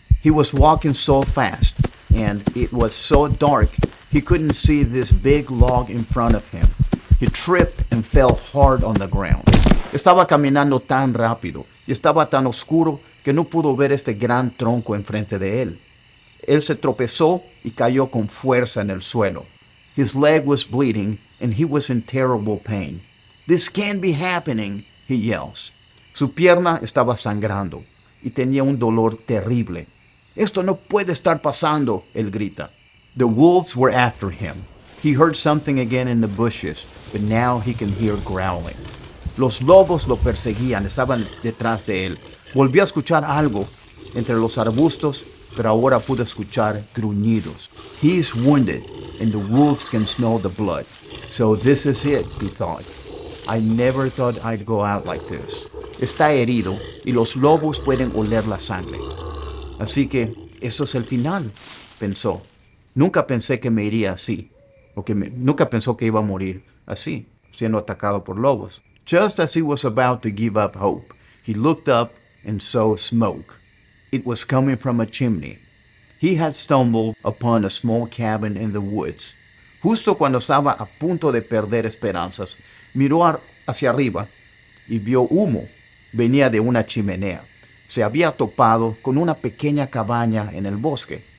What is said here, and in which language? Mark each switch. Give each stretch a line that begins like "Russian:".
English: He was walking so fast and it was so dark he couldn't see this big log in front of him. He tripped and fell hard on the ground.
Spanish: Estaba caminando tan rápido y estaba tan oscuro que no pudo ver este gran tronco enfrente de él. Él se tropezó y cayó con fuerza en el suelo.
English: His leg was bleeding and he was in terrible pain. This can't be happening, he yells.
Spanish: Su pierna estaba sangrando y tenía un dolor terrible. Esto no puede estar pasando, él grita.
English: The wolves were after him. He heard something again in the bushes, but now he can hear growling.
Spanish: Los lobos lo perseguían, estaban detrás de él. Volvió a escuchar algo entre los arbustos, pero ahora pudo escuchar gruñidos.
English: He is wounded, and the wolves can smell the blood. So this is it, he thought. I never thought I'd go out like this.
Spanish: Está herido, y los lobos pueden oler la sangre. Así que, eso es el final, pensó. Nunca pensé que me iría así. Nunca pensó que iba a morir así, siendo atacado por lobos.
English: Just as he was about to give up hope, he looked up and saw smoke. It was coming from a chimney. He had stumbled upon a small cabin in the woods.
Spanish: Justo cuando estaba a punto de perder esperanzas, miró hacia arriba y vio humo. Venía de una chimenea. Se había topado con una pequeña cabaña en el bosque.